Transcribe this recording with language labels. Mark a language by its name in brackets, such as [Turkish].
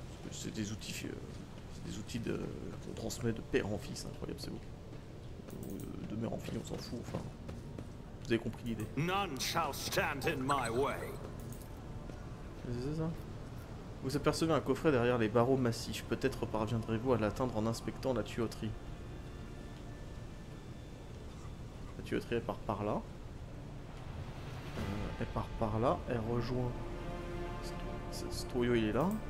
[French] C'est des outils qu'on transmet de père en fils, incroyable, c'est beau. De mère en fille, on s'en fout, enfin. Vous avez compris l'idée. [English] None shall stand in my way. [French] C'est ça. Vous apercevez un coffret derrière les barreaux massifs. Peut-être parviendrez-vous à l'atteindre en inspectant la tuyauterie. La tuyauterie part par là. Elle part par là. Elle rejoint. Ce tuyau, il est là.